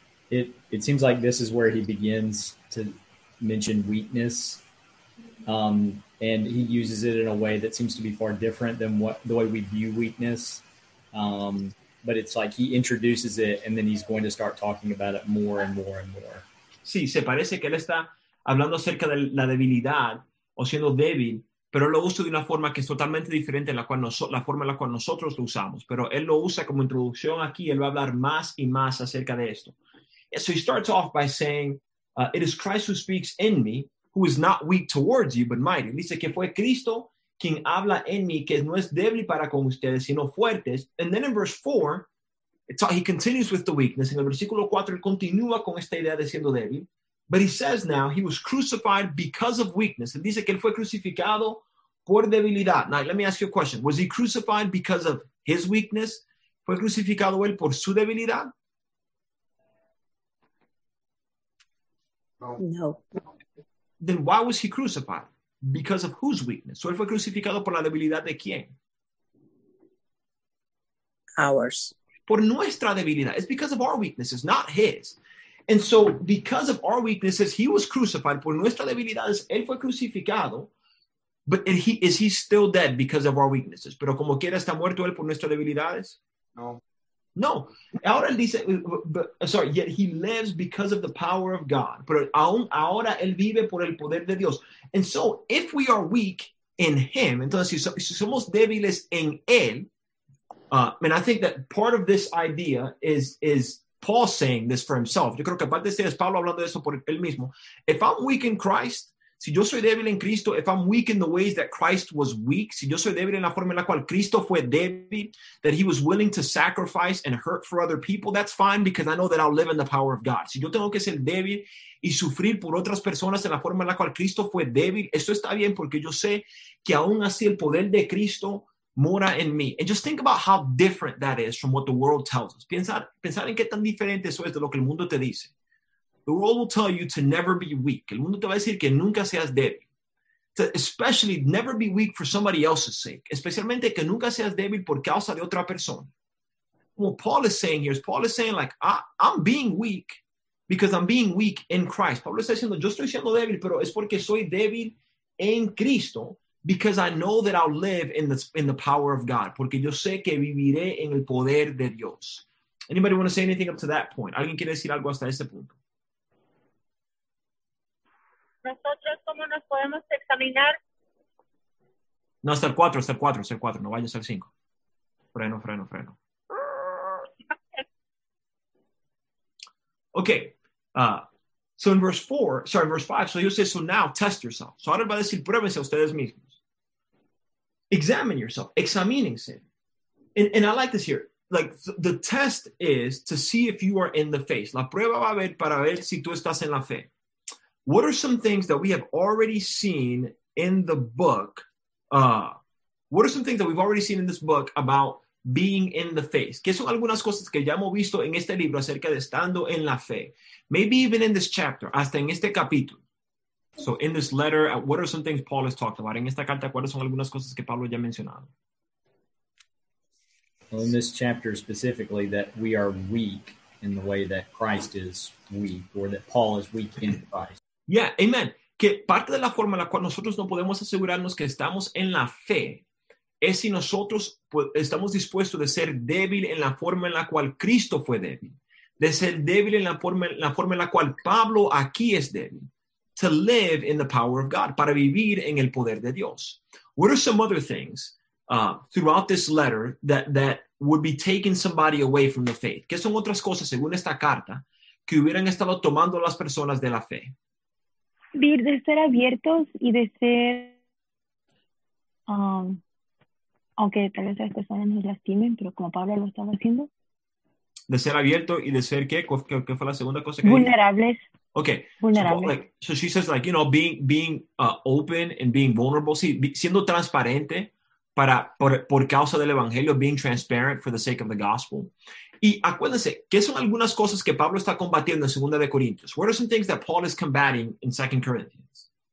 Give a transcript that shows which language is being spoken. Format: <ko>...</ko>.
<en>It seems like this is where he begins to mention weakness. And he uses it in a way that seems to be far different than what the way we view weakness. But it's like he introduces it and then he's going to start talking about it more and more and more.</en> <es>Sí, se parece que él está hablando acerca de la debilidad o siendo débil, pero él lo usa de una forma que es totalmente diferente a la forma en la cual nosotros lo usamos. Pero él lo usa como introducción aquí. Él va a hablar más y más acerca de esto.</es> <en>So he starts off by saying, it is Christ who speaks in me, who is not weak towards you, but mighty.</en> <es>Dice que fue Cristo quien habla en mí, que no es débil para con ustedes, sino fuertes.</es> <en>And then in verse 4, he continues with the weakness.</en> <es>En el versículo 4, él continúa con esta idea de siendo débil.</es> <en>But he says now, he was crucified because of weakness.</en> <es>Él dice que él fue crucificado por debilidad.</es> <en>Now, let me ask you a question. Was he crucified because of his weakness?</en> <es>¿Fue crucificado él por su debilidad? No.</es> <en>Then why was he crucified? Because of whose weakness?</en> <es>¿Él fue crucificado por la debilidad de quién?</es> <en>Ours.</en> <es>Por nuestra debilidad.</es> <en>It's because of our weaknesses, not his. And so, because of our weaknesses, he was crucified.</en> <es>Por nuestra debilidad, él fue crucificado.</es> <en>But is he still dead because of our weaknesses?</en> <es>Pero como quiera, ¿está muerto él por nuestras debilidades? No. No. Ahora él dice,</es> <en>yet he lives because of the power of God.</en> <es>Pero aún ahora él vive por el poder de Dios.</es> <en>And so, if we are weak in him,</en> <es>entonces si somos débiles en él,</es> <en>and I think that part of this idea is Paul saying this for himself.</en> <es>Yo creo que aparte de esto es Pablo hablando de eso por él mismo.</es> <en>If I'm weak in Christ,</en> <es>si yo soy débil en Cristo,</es> <en>if I'm weak in the ways that Christ was weak,</en> <es>si yo soy débil en la forma en la cual Cristo fue débil,</es> <en>that he was willing to sacrifice and hurt for other people, that's fine because I know that I'll live in the power of God.</en> <es>Si yo tengo que ser débil y sufrir por otras personas en la forma en la cual Cristo fue débil, esto está bien porque yo sé que aún así el poder de Cristo mora en mí.</es> <en>And just think about how different that is from what the world tells us.</en> <es>Pensar en qué tan diferente eso es de lo que el mundo te dice.</es> <en>The world will tell you to never be weak.</en> <es>El mundo te va a decir que nunca seas débil.</es> <en>To especially never be weak for somebody else's sake.</en> <es>Especialmente que nunca seas débil por causa de otra persona.</es> <en>What Paul is saying here is Paul is saying like, I'm being weak because I'm being weak in Christ.</en> <es>Pablo está diciendo, yo estoy siendo débil, pero es porque soy débil en Cristo,</es> <en>because I know that I'll live in the power of God,</en> <es>porque yo sé que viviré en el poder de Dios.</es> <en>Anybody want to say anything up to that point?</en> <es>¿Alguien quiere decir algo hasta ese punto? ¿Nosotros cómo nos podemos examinar? No, hasta el 4, hasta el 4, hasta el 4. No vayas al 5. Freno, freno, freno.</es> <en>Okay. So in verse 4, sorry, verse 5. So you say, so now test yourself.</en> <es>So ahora va a decir, pruébense ustedes mismos.</es> <en>Examine yourself.</en> <es>Examínense.</es> <en>And I like this here. Like, the test is to see if you are in the faith.</en> <es>La prueba va a ver para ver si tú estás en la fe.</es> <en>What are some things that we have already seen in the book? What are some things that we've already seen in this book about being in the faith?</en> <es>¿Qué son algunas cosas que ya hemos visto en este libro acerca de estando en la fe?</es> <en>Maybe even in this chapter,</en> <es>hasta en este capítulo.</es> <en>So in this letter, what are some things Paul has talked about?</en> <es>En esta carta, ¿cuáles son algunas cosas que Pablo ya ha mencionado?</es> <en>Well, in this chapter specifically, that we are weak in the way that Christ is weak, or that Paul is weak in Christ. Yeah, amen.</en> <es>Que parte de la forma en la cual nosotros no podemos asegurarnos que estamos en la fe es si nosotros estamos dispuestos de ser débil en la forma en la cual Cristo fue débil, de ser débil en la forma en la cual Pablo aquí es débil.</es> <en>To live in the power of God,</en> <es>para vivir en el poder de Dios.</es> <en>What are some other things throughout this letter that would be taking somebody away from the faith?</en> <es>¿Qué son otras cosas, según esta carta, que hubieran estado tomando las personas de la fe? De ser abiertos y de ser, aunque tal vez las personas nos lastimen, pero como Pablo lo estaba haciendo. De ser abierto y de ser, ¿qué fue la segunda cosa que vulnerables. Dije?</es> <en>Okay, so she says, like, you know, being open and being vulnerable,</en> <es>siendo transparente por causa del evangelio,</es> <en>being transparent for the sake of the gospel.</en> <es>Y acuérdense, ¿qué son algunas cosas que Pablo está combatiendo en Segunda de Corintios?</es> <en>What are some things that Paul is combating in Second Corinthians?</en>